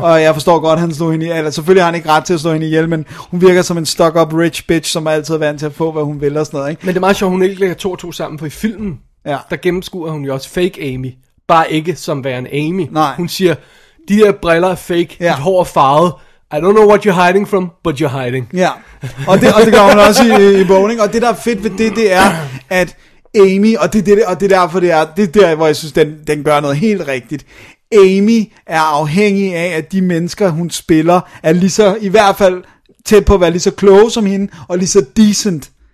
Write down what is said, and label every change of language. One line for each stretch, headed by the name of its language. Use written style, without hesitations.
Danish: Og jeg forstår godt, at han slog hende i, eller selvfølgelig har han ikke ret til at slå hende ihjel, men hun virker som en
English: stuck-up rich bitch,
Danish: som er altid vant til at få, hvad hun vil og sådan noget. Ikke? Men det er meget sjovt, hun ikke lægger to og to sammen, for i filmen, ja. Der gennemskuer hun jo også fake Amy, bare ikke som værende Amy. Nej. Hun siger, de der briller er fake, ja. Dit hår er farvet.
English: I don't know what you're hiding from, but you're hiding.
Danish: Ja, og det gør hun også i bowling, og det der er fedt ved det er, at Amy, og det er der, hvor jeg synes, den gør noget helt rigtigt. Amy er afhængig af, at de mennesker, hun spiller, er lige så, i hvert fald tæt på at være lige så kloge som hende, og lige så decent.